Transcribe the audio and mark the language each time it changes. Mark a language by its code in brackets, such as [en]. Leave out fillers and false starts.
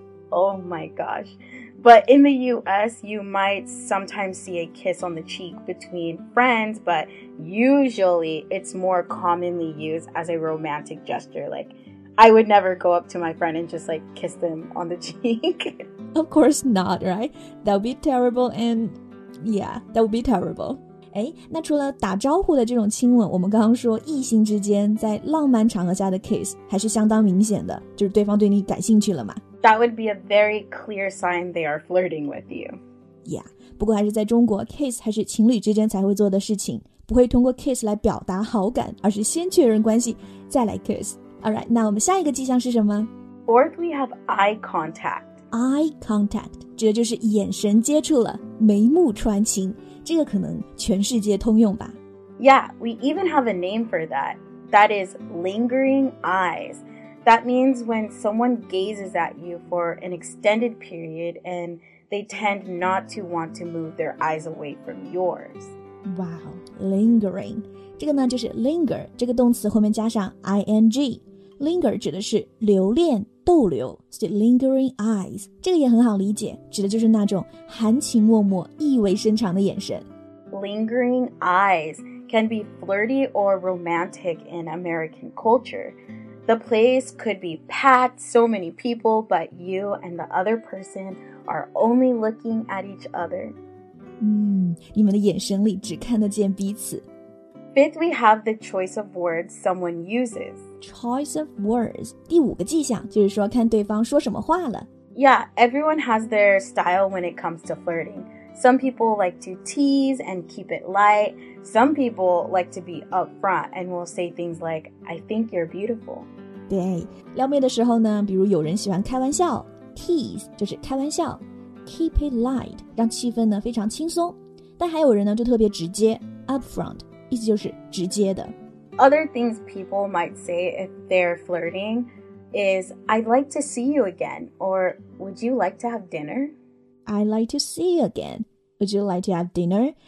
[en] Oh my gosh. But in the US, you might sometimes see a kiss on the cheek between friends, but... Usually, it's more commonly used as a romantic gesture. Like, I would never go up to my friend and just, like, kiss them on the cheek. Of course not, right? That would be terrible and, yeah, that would be terrible. [zh] 哎，那除了打招呼的这种亲吻，我们刚刚说异性之间在浪漫场合下的 kiss 还是相当明显的，就是对方对你感兴趣了嘛。 [en] That would be a very clear sign they are flirting with you. [zh] Yeah, 不过还是在中国 ,kiss 还是情侣之间才会做的事情。不会通过 kiss 来表达好感，而是先确认关系，再来 kiss. Alright, 那我们下一个迹象是什么？ [en] Fourth, we have eye contact. [zh] Eye contact, 指的就是眼神接触了，眉目传情，这个可能全世界通用吧。 [en] Yeah, we even have a name for that. That is lingering eyes. That means when someone gazes at you for an extended period and they tend not to want to move their eyes away from yours. Wow, lingering. [zh] 这个呢就是 linger, 这个动词后面加上 ing. Linger 指的是留恋逗留。 [en] So lingering eyes, [zh] 这个也很好理解，指的就是那种含情脉脉意味深长的眼神。 [en] Lingering eyes, can be flirty or romantic in American culture. The place could be packed, so many people, but you and the other person are only looking at each other. [zh] 你们的眼神里只看得见彼此。 [en] Fifth, we have the choice of words someone uses. Choice of words. [zh] 第五个迹象就是说看对方说什么话了。 [en] Yeah, everyone has their style when it comes to flirting. Some people like to tease and keep it light. Some people like to be upfront and will say things like, I think you're beautiful. [zh] 对，撩妹的时候呢，比如有人喜欢开玩笑， tease 就是开玩笑， [en] keep it light [zh] 让气氛呢非常轻松。但还有人呢就特别直接， upfront意思就是直接的。 [en] Other things people might say if they're flirting is I'd like to see you again or would you like to have dinner? I'd like to see you again. Would you like to have dinner?